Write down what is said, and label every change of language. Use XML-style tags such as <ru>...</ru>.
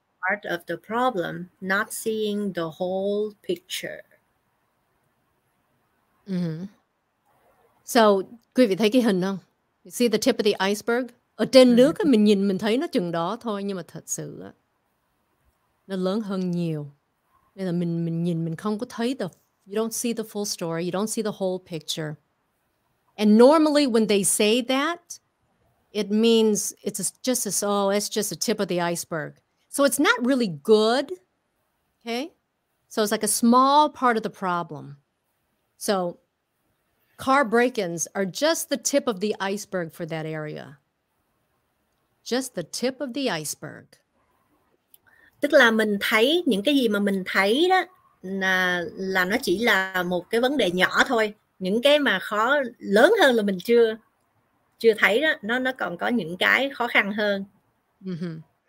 <en>part of the problem, not seeing the whole picture. So</en> <vi>quý vị thấy cái hình không?</vi> <en>You see the tip of the iceberg?</en> <vi>Ở trên nước mình nhìn mình thấy nó chừng đó thôi, nhưng mà thật sự nó lớn hơn nhiều. Nên là mình nhìn mình không có thấy</vi> <en>you don't see the full story, you don't see the whole picture. And normally when they say that, it means it's just a tip of the iceberg. So it's not really good. Okay? So it's like a small part of the problem. So car break-ins are just the tip of the iceberg for that area. Just the tip of the iceberg.</en> <vi>Tức là mình thấy những cái gì mà mình thấy đó là nó chỉ là một cái vấn đề nhỏ thôi. Những cái mà khó lớn hơn là mình chưa chưa thấy đó, nó còn có những cái khó khăn hơn.</vi>